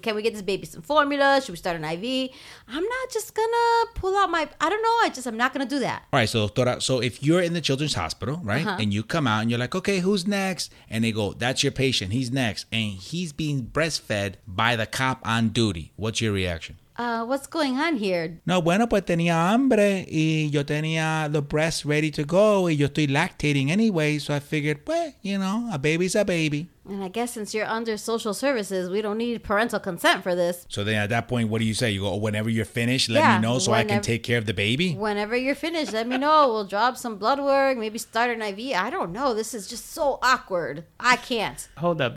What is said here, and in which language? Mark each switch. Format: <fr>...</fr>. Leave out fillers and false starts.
<en>Can we get this baby some formula? Should we start an IV? I'm not just going to pull out my, I don't know, I'm not going to do that. All right, so doctora, so if you're in the children's hospital, right, uh-huh. And you come out and you're like, okay, who's next? And they go, that's your patient, he's next. And he's being breastfed by the cop on duty. What's your reaction? What's going on here?</en> <es>No, bueno, pues tenía hambre y yo tenía</es> <en>the breast ready to go</en> <es>y yo estoy</es> <en>lactating anyway, so I figured, pues, you know, a baby's a baby. And I guess since you're under social services, we don't need parental consent for this. So then at that point, what do you say? You go, oh, whenever you're finished, let me know so I can take care of the baby? Whenever you're finished, let me know. We'll drop some blood work, maybe start an IV. I don't know. This is just so awkward. I can't. Hold up.</en>